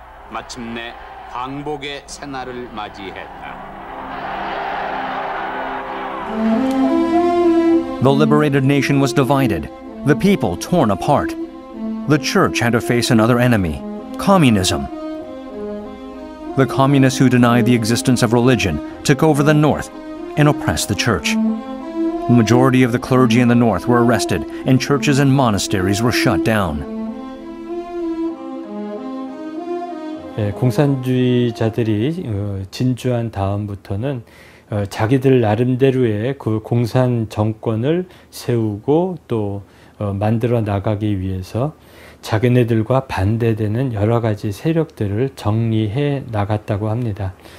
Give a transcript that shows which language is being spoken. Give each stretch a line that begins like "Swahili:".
Korean: 마침내 광복의 새날을 맞이했다.
English: The liberated nation was divided, the people torn apart. The church had to face another enemy, communism. The communists who denied the existence of religion took over the North and oppressed the church. The majority of the clergy in the North were arrested and churches and monasteries were shut down.
Korean: 예, 공산주의자들이 진주한 다음부터는 자기들 나름대로의 그 공산 정권을 세우고 또 만들어 나가기 위해서 자기네들과 반대되는 여러 가지 세력들을 정리해 나갔다고 합니다.